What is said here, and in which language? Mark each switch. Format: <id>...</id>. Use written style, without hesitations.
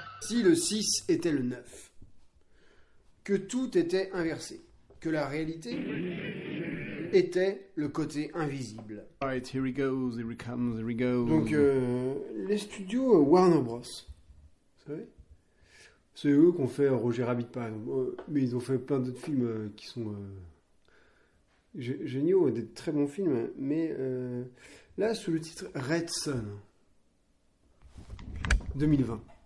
<fr>Le 6 était le 9, que tout était inversé, que la réalité était le côté invisible.</fr> <en>All right, here he goes, here he comes, here he goes.</en> <fr>Donc, les studios Warner Bros, vous savez, c'est eux qui ont fait Roger Rabbit, par exemple, mais ils ont fait plein d'autres films qui sont géniaux, des très bons films, mais là, sous le titre Red Son 2020.</fr>